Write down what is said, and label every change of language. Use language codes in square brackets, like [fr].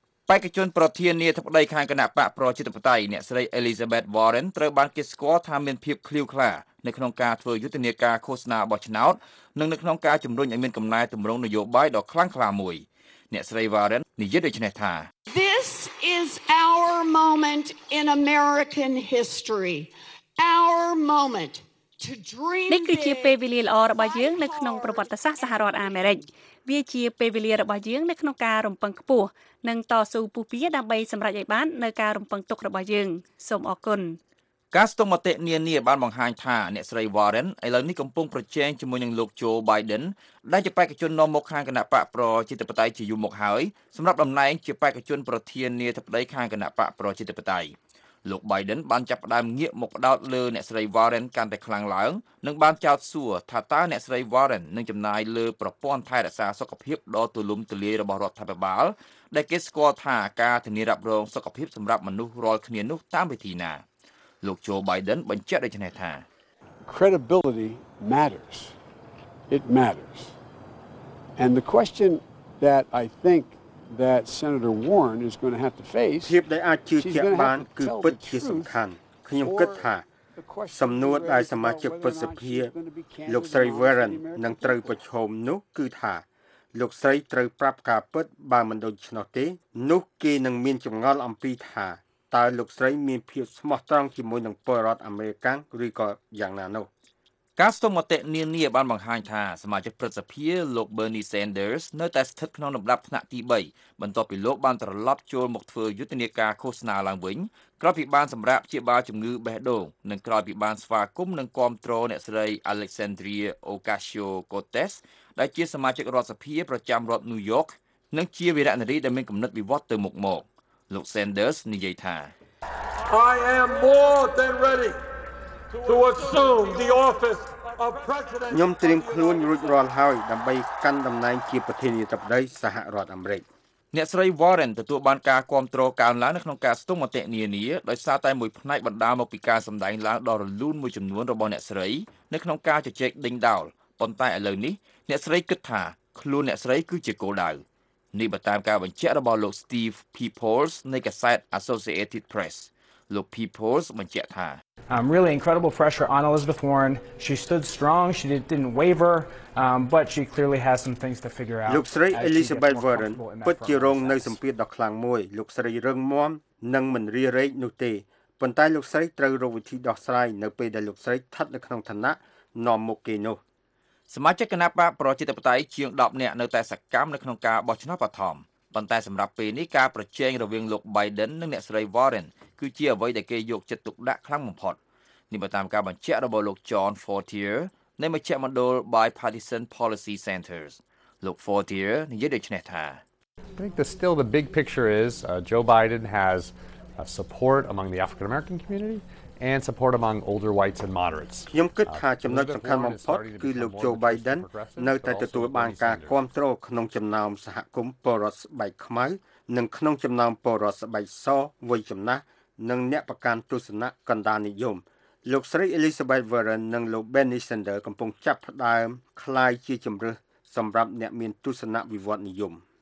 [km] បេក្ខជនប្រធានាធិបតីខាងគណៈបកប្រជាធិបតេយ្យអ្នកស្រី Elizabeth Warren ត្រូវបានគេស្គាល់ថាមានភាពឃ្លាវខ្លានៅក្នុងការធ្វើយុទ្ធនាការឃោសនាបោះឆ្នោតនិងនៅក្នុងការជំរុញឲ្យមានកំណែទម្រង់នយោបាយដ៏ខ្លាំងក្លាមួយអ្នកស្រី Warren និយាយដូចនេះថា [en] This is our moment in American history. Our moment to dream. [km] នេះគឺជាពេលវេលាល្អរបស់យើងនៅក្នុងប្រវត្តិសាស្ត្រសហរដ្ឋអាមេរិក។វាជាពេលវេលារបស់យើងនៅក្នុងការរំពឹងខ្ពស់និងតស៊ូពុះពារដើម្បីសម្រេចឲ្យបាននូវការរំពឹងទុករបស់យើង។សូមអរគុណ ។ការស្ទង់មតិនានាបានបង្ហាញថាអ្នកស្រី Warren ឥឡូវនេះកំពុងប្រជែងជាមួយនឹងលោក Joe Biden. ដែលជាបេក្ខជននាំមុខខាងគណៈបកប្រជាធិបតេយ្យជាយូរមកហើយសម្រាប់តំណែងជាបេក្ខជនប្រធានាធិបតីខាងគណៈបកប្រជាធិបតេយ្យលោក Biden បានចាប់ផ្ដើមងាកមកផ្ដោតលើអ្នកស្រី Warren កាន់តែខ្លាំងឡើងនិងបានចោទសួរថាតើអ្នកស្រី Warren នឹងចំណាយលើប្រព័ន្ធថែរក្សាសុខភាពដ៏ទូលំទូលាយរបស់រដ្ឋាភិបាលដែលគេស្គាល់ថាការធានារ៉ាប់រងសុខភាពសម្រាប់មនុស្សរាល់គ្នានោះតាមវិធីណាលោក Joe Biden បញ្ជាក់ដូចនេះថា [en] Credibility mattersIt matters. And the question that I think that Senator Warren is going to have to face [km] ភាពដែលអាចជឿជាក់បានគឺពិតជាសំខាន់ខ្ញុំគិតថាសំណួរដែលសមាជិកព្រឹទ្ធសភាលោកស្រី Warren នឹងត្រូវប្រឈមនោះគឺថាលោកស្រីត្រូវប្រាប់ការពិតបើមិនដូច្នោះទេនោះគេនឹងមានចម្ងល់អំពីថាតើលោកស្រីមានភាពស្មោះត្រង់ជាមួយនឹងពលរដ្ឋអាមេរិកឬក៏យ៉ាងណានោះ ការស្ទង់មតិនានាបានបង្ហាញថាសមាជិកព្រឹទ្ធសភាលោក Bernie Sanders នៅតែស្ថិតក្នុងលំដាប់ថ្នាក់ទី3បន្ទាប់ពីលោកបានត្រឡប់ចូលមកធ្វើយុទ្ធនាការឃោសនាឡើងវិញក្រោយពីបានសម្រាកព្យាបាលជំងឺបេះដូងនិងក្រោយពីបានស្វាគមន៍និងគាំទ្រអ្នកស្រី Alexandria Ocasio-Cortez ដែលជាសមាជិករដ្ឋសភាប្រចាំរដ្ឋ New York និងជាវីរនារីដែលមានគំនិតវិវឌ្ឍទៅមុខមកលោក Sanders និយាយថា [en] I am more than readyto assume the office of president [km] ខ្ញុំត្រៀមខ្លួនរួចរាល់ហើយដើម្បីកាន់តំណែងជាប្រធានាធិបតីសហរដ្ឋអាមេរិក អ្នកស្រី Warren ទទួលបានការគាំទ្រកើនឡើងនៅក្នុងការស្ទង់មតិនានាដោយសារតែមួយផ្នែកបណ្ដាលមកពីការសម្ដែងឡើងដ៏រលូនមួយចំនួនរបស់អ្នកស្រីនៅក្នុងការជជែកដេញដោលប៉ុន្តែឥឡូវនេះអ្នកស្រីគិតថាខ្លួនអ្នកស្រីគឺជាគោលដៅនេះបើតាមការបញ្ជាក់របស់លោក Steve Peoples នៃកាសែត Associated Press លោក Peoples បញ្ជាក់ថា [en] I'm really incredible pressure on Elizabeth Warren. She stood strong. She didn't waver, but she clearly has some things to figure out. [km] លោកស្រី Elizabeth Warren ពិតជារងនៅសម្ពាធដ៏ខ្លាំងមួយ។លោកស្រីរឹងមាំនិងមិនរារែកនោះទេ។ប៉ុន្តែលោកស្រីត្រូវរកវិធីដោះស្រាយនៅពេលដែលលោកស្រីស្ថិតនៅក្នុងឋានៈនាំមុខគេនោះ ។សមាជិកគណៈបកប្រជាធិបតេយ្យជាង10នាក់នៅតែសកម្មនៅក្នុងការបោះឆ្នោតបឋម។ ប៉ុន្តែសម្រាប់ពេលនេះការប្រជែងរវាងលោក Biden និងអ្នកស្រី Warren គឺជាអ្វីដែលគេយកចិត្តទុកដាក់ខ្លាំងបំផុតនេះតាមការបញ្ជាក់របស់លោក John Fortier នៃមជ្ឈមណ្ឌល Bipartisan Policy Centers លោក Fortier និយាយដូចនេះថា [en] I think that still the big picture is Joe Biden has support among the African American community. And support among older whites and moderates. [km] ខ្ញុំគិតថាចំណុចសំខាន់បំផុតគឺលោក Joe Biden នៅតែទទួលបានការគាំទ្រក្នុងចំណោមសហគមន៍ពលរដ្ឋស្បែកខ្មៅនិងក្នុងចំណោមពលរដ្ឋស្បែកសវ័យចំណាស់និងអ្នកប្រកាន់ទស្សនៈកណ្ដាលនិយមលោកស្រី Elizabeth Warren និងលោក Bernie Sanders កំពុងចាប់ផ្ដើមคล้ายជាជំរើសសម្រាប់អ្នកមានទស្សនៈវិវត្តនិយម